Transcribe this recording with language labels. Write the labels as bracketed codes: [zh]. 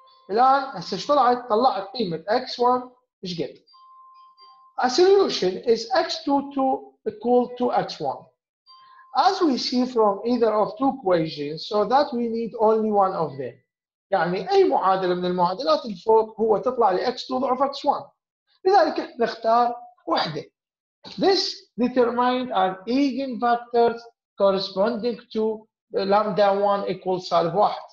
[ar] الان هسه ايش طلعت؟ طلعت قيمه x1 ايش قد؟ [en] A solution is x2 to equal to x1. As we see from either of two equations, so that we need only one of them. [ar] يعني اي معادله من المعادلات اللي فوق هو تطلع لي x2 ضعف x1. لذلك احنا نختار وحده. [en] This determined an eigenvectors corresponding to lambda 1 equals سالب 1.